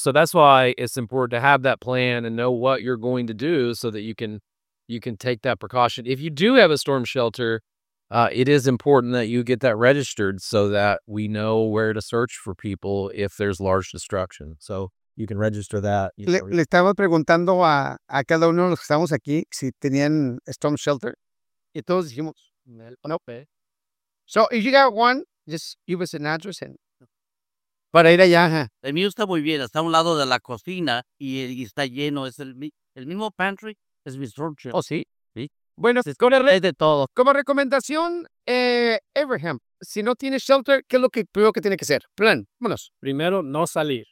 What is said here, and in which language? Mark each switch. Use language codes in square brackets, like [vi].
[en] So that's why it's important to have that plan and know what you're going to do so that you can take that precaution. If you do have a storm shelter, it is important that you get that registered so that we know where to search for people if there's large destruction. So you can register that. [es] Le estaba preguntando a cada uno de los que estamos aquí si tenían storm shelter. Y todos dijimos, nope. [en] So if you got one, just give us an address. [es] Para ir allá. El mío está muy bien. Está a un lado de la cocina y está lleno. Es el mismo pantry. Es mi storm shelter. Oh, sí. Sí. Bueno, es de todo. Como recomendación, Abraham, si no tienes shelter, ¿qué es lo primero que tiene que hacer? Plan, vámonos. Primero, no salir.